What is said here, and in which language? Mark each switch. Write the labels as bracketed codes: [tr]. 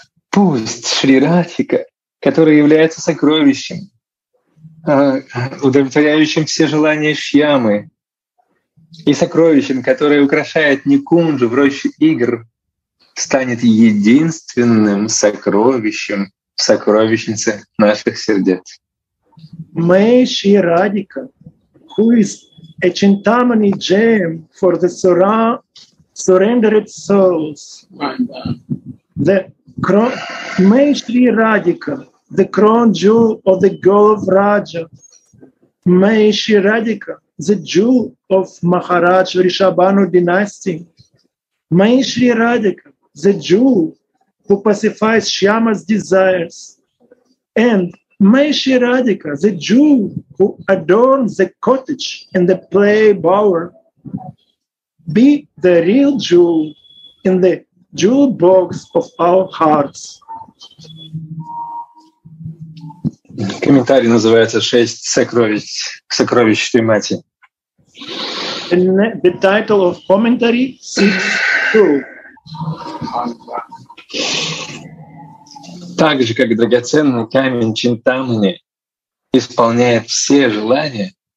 [ru] Пусть Шри Радхика, который является сокровищем, удовлетворяющим все желания Шьямы, и сокровищем, которое украшает Никунджу в роще игр, станет единственным сокровищем в сокровищнице наших сердец. [en] May Shri Radhika, who is a chintamani gem for the surrendered souls, the crown, May Shri Radhika, the crown jewel of the girl of Raja, May Shri Radhika, the jewel of Maharaj Vrishabhanu dynasty, May Shri Radhika, the jewel who pacifies Shyama's desires, and May Shri Radhika, the jewel who adorns the cottage and the play bower, be the real jewel in the jewel box of our hearts. [ru] Комментарий называется «Шесть сокровищ, сокровищ Шримати». [en] The title of commentary 6.2. [ru] Так же, как драгоценный камень Чинтамани исполняет все желания,